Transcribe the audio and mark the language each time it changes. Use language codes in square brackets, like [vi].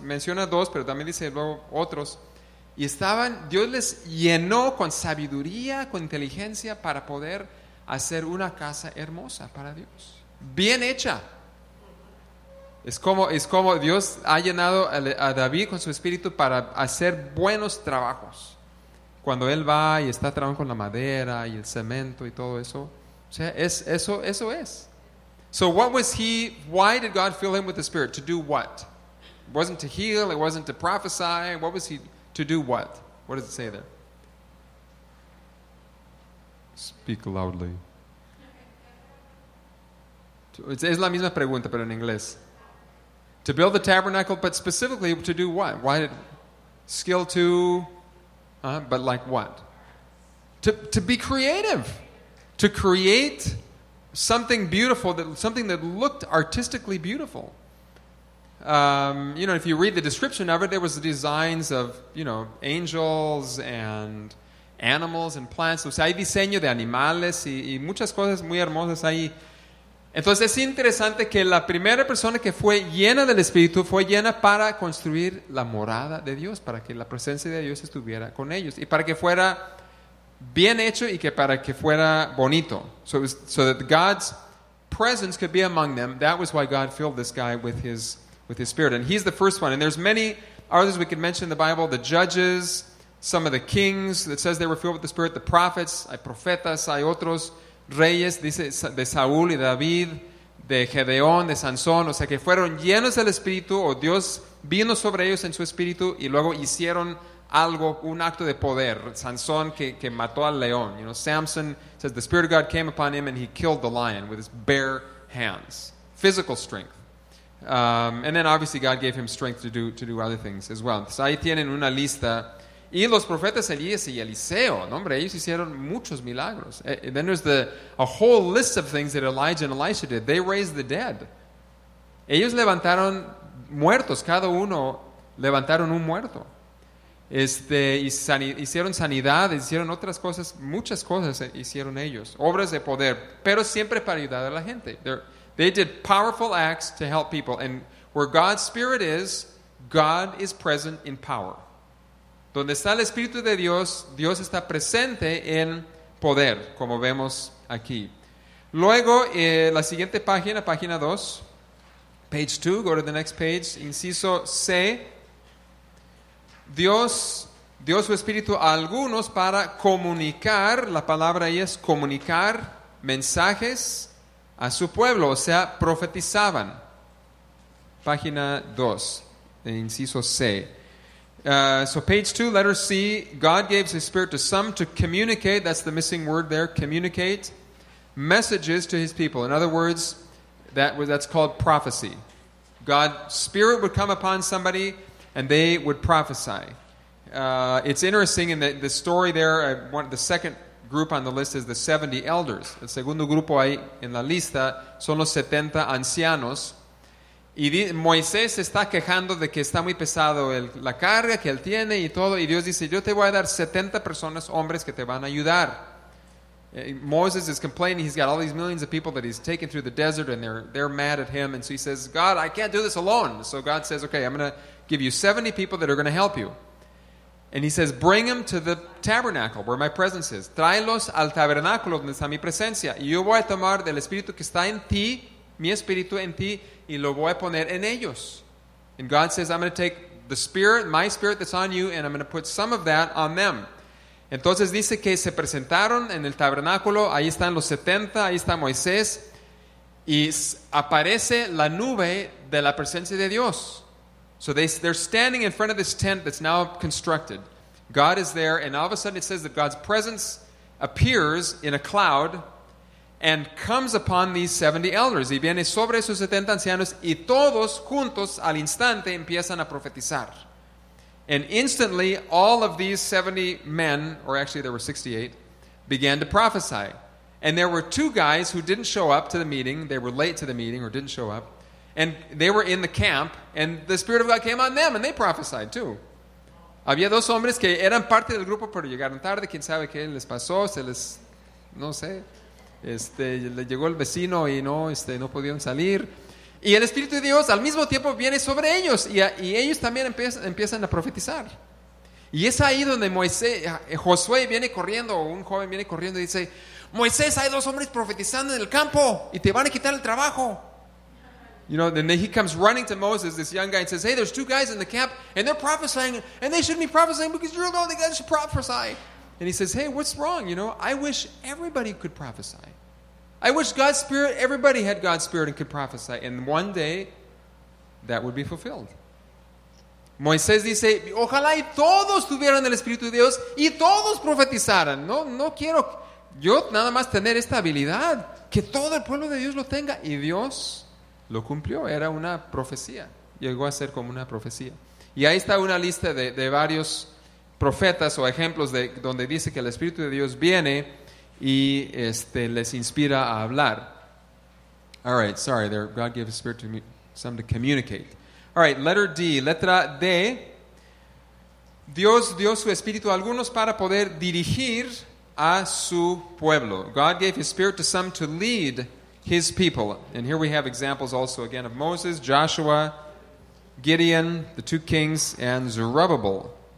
[es] Menciona dos, pero también dice luego otros. Y estaban, Dios les llenó con sabiduría, con inteligencia, para poder hacer una casa hermosa para Dios. Bien hecha. Es como Dios ha llenado a David con su espíritu para hacer buenos trabajos. Cuando él va y está trabajando con la madera y el cemento y todo eso. O sea, eso es. [en] So what was he, why did God fill him with the Spirit? To do what? It wasn't to heal, it wasn't to prophesy. What was he, to do what? What does it say there? Speak loudly. [es] Es la misma pregunta, pero en inglés. [en] To build the tabernacle, but specifically to do what? Why did skill to, but like what? To be creative. To create something beautiful, something that looked artistically beautiful. If you read the description of it, there was the designs of, angels and animals and plants. [es] O sea, hay diseño de animales y muchas cosas muy hermosas ahí. Entonces es interesante que la primera persona que fue llena del Espíritu fue llena para construir la morada de Dios, para que la presencia de Dios estuviera con ellos y para que fuera bien hecho y que para que fuera bonito. [en] So that God's presence could be among them. That was why God filled this guy with his Spirit. And he's the first one. And there's many others we could mention in the Bible. The judges, some of the kings, it says they were filled with the Spirit. The prophets, [es] hay profetas, hay otros. Reyes, dice, de Saúl y David, de Gedeón, de Sansón, o sea que fueron llenos del Espíritu, o Dios vino sobre ellos en su Espíritu y luego hicieron algo, un acto de poder. Sansón que mató al león. [en] Samson says the Spirit of God came upon him and he killed the lion with his bare hands. Physical strength. And then obviously God gave him strength to do other things as well. [es] Entonces ahí tienen una lista. Y los profetas Elías y Eliseo, ¿no? Hombre, ellos hicieron muchos milagros. [en] And then there's a whole list of things that Elijah and Elisha did. They raised the dead. [es] Ellos levantaron muertos, cada uno levantaron un muerto. Hicieron sanidad, hicieron otras cosas, muchas cosas hicieron ellos, obras de poder, pero siempre para ayudar a la gente. [en] They did powerful acts to help people, and where God's Spirit is, God is present in power. [es] Donde está el Espíritu de Dios, Dios está presente en poder, como vemos aquí. Luego, la siguiente página, página 2, [en] page 2, go to the next page, [es] inciso C. Dios dio su Espíritu a algunos para comunicar, la palabra ahí es comunicar mensajes a su pueblo, o sea, profetizaban. Página 2, inciso C. [en] So page 2, letter C, God gave his Spirit to some to communicate, that's the missing word there, communicate, messages to his people. In other words, that's called prophecy. God's Spirit would come upon somebody and they would prophesy. It's interesting in the story there, the second group on the list is the 70 elders. [es] El segundo grupo ahí en la lista son los 70 ancianos. Y Moisés está quejando de que está muy pesado la carga que él tiene y todo. Y Dios dice, yo te voy a dar 70 personas, hombres, que te van a ayudar. [en] Moses is complaining. He's got all these millions of people that he's taken through the desert and they're mad at him. And so he says, God, I can't do this alone. So God says, okay, I'm going to give you 70 people that are going to help you. And he says, bring them to the tabernacle where my presence is. [es] Tráelos al tabernáculo donde está mi presencia. Y yo voy a tomar del Espíritu que está en ti, mi Espíritu en ti, y lo voy a poner en ellos. [en] And God says, I'm going to take the Spirit, my Spirit that's on you, and I'm going to put some of that on them. [es] Entonces dice que se presentaron en el tabernáculo, ahí están los 70, ahí está Moisés, y aparece la nube de la presencia de Dios. [en] So they're standing in front of this tent that's now constructed. God is there, and all of a sudden it says that God's presence appears in a cloud and comes upon these 70 elders. [es] Y viene sobre esos 70 ancianos y todos juntos al instante empiezan a profetizar. [en] And instantly, all of these 70 men, or actually there were 68, began to prophesy. And there were two guys who didn't show up to the meeting. They were late to the meeting or didn't show up. And they were in the camp, and the Spirit of God came on them, and they prophesied too. [es] Había dos hombres que eran parte del grupo, pero llegaron tarde. ¿Quién sabe qué les pasó? Le llegó el vecino y no pudieron salir. Y el Espíritu de Dios al mismo tiempo viene sobre ellos y ellos también empiezan a profetizar. Y es ahí donde Josué viene corriendo, un joven viene corriendo y dice, Moisés, hay dos hombres profetizando en el campo y te van a quitar el trabajo. [en] You know, then he comes running to Moses, this young guy, and says, hey, there's two guys in the camp and they're prophesying and they shouldn't be prophesying because you're the only guy that should prophesy. And he says, hey, what's wrong? You know, I wish everybody could prophesy. I wish God's Spirit, everybody had God's Spirit and could prophesy. And one day, that would be fulfilled. [es] Moisés dice, ojalá y todos tuvieran el Espíritu de Dios y todos profetizaran. No quiero yo nada más tener esta habilidad, que todo el pueblo de Dios lo tenga. Y Dios lo cumplió. Era una profecía. Llegó a ser como una profecía. Y ahí está una lista de varios profetas o ejemplos de donde dice que el Espíritu de Dios viene y les inspira a hablar. [en] All right, sorry, there. God gave the Spirit to some to communicate. All right, letter D, letra D. [es] Dios dio su Espíritu a algunos para poder dirigir a su pueblo. [en] God gave his Spirit to some to lead his people. And here we have examples also again of Moses, Joshua, Gideon, the two kings, and Zerubbabel.